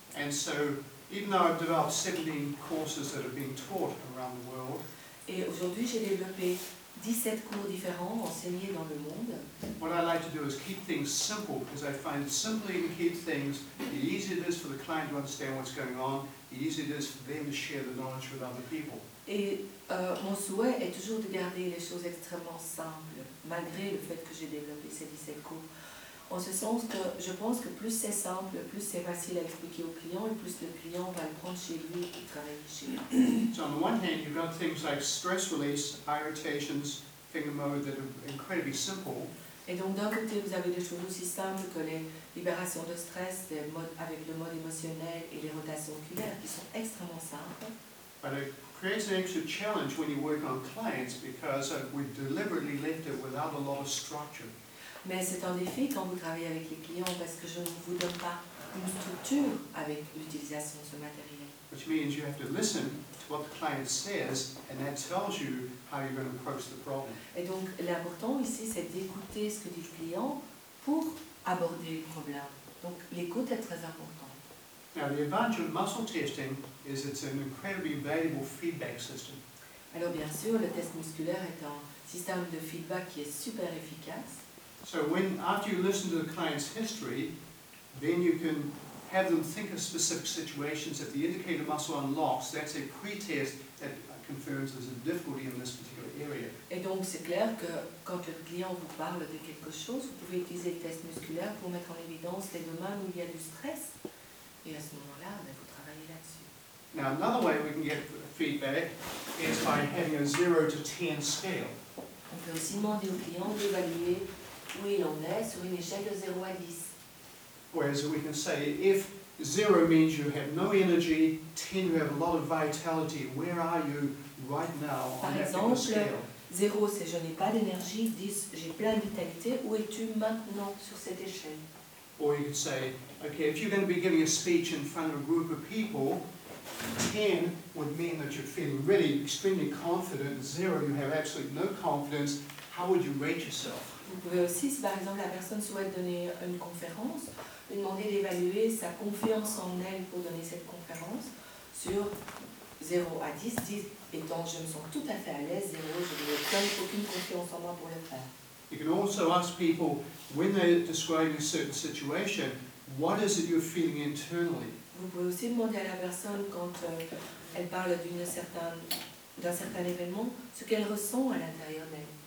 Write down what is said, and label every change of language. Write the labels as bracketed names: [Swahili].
[English] so even though I've developed 17 courses that have been taught around the world, [French] et aujourd'hui j'ai développé 17 cours différents enseignés dans le monde. [English] What I like to do is keep things simple because I find simply to keep things, the easier it is for the client to understand what's going on, the easier it is for them to share the knowledge with other people. [French] Et mon souhait est toujours de garder les choses extrêmement simples, malgré le fait que j'ai développé ces 17 cours. En ce sens que je pense que plus c'est simple, plus c'est facile à expliquer au client et plus le client va le prendre chez lui et travailler chez lui. [English] So on the one hand, you've got things like stress release, irritations, finger mode that are incredibly simple. [French] Et donc d'un côté, vous avez des choses aussi simples que les libérations de stress, des modes, avec le mode émotionnel et les rotations oculaires qui sont extrêmement simples. [English] But it creates an extra challenge when you work on clients because we deliberately left it without a lot of structure. [French] Mais c'est un défi quand vous travaillez avec les clients parce que je ne vous donne pas une structure avec l'utilisation de ce matériel. [English] Which means you have to listen to what the client says and that tells you how you're going to approach the problem. [French] Et donc l'important ici c'est d'écouter ce que dit le client pour aborder le problème. Donc l'écoute est très importante. [English] Now the advantage of muscle testing is it's an incredibly valuable feedback system. [French] Alors bien sûr, le test musculaire est un système de feedback qui est super efficace. [English] So when after you listen to the client's history, then you can have them think of specific situations. If the indicator muscle unlocks, that's a pretest that confirms there's a difficulty in this particular area. [French] Et donc c'est clair que quand le client vous parle de quelque chose, vous pouvez utiliser le test musculaire pour mettre en évidence les domaines où il y a du stress. Et à ce moment-là, vous travaillez là-dessus. [English] Now another way we can get feedback is by having a 0 to 10 scale. [French] On peut aussi demander au client d'évaluer où il en est sur une échelle de 0 à 10. [English] Whereas we can say, if 0 means you have no energy, 10 you have a lot of vitality, where are you right now on that scale? [French] Par exemple, 0 c'est je n'ai pas d'énergie, 10 j'ai plein de vitalité, où es-tu maintenant sur cette échelle? [English] Or you can say, okay, if you're going to be giving a speech in front of a group of people, 10 would mean that you're feeling really extremely confident, 0 you have absolutely no confidence, how would you rate yourself? [French] Vous pouvez aussi, si par exemple la personne souhaite donner une conférence, lui demander d'évaluer sa confiance en elle pour donner cette conférence sur 0 à 10, 10 étant je me sens tout à fait à l'aise, 0, je n'ai aucune confiance en moi pour le faire. [English] You can also ask people, when they're describing a certain situation, what is it you're feeling internally? [French] Vous pouvez aussi demander à la personne, quand elle parle d'un certain événement, ce qu'elle ressent à l'intérieur d'elle.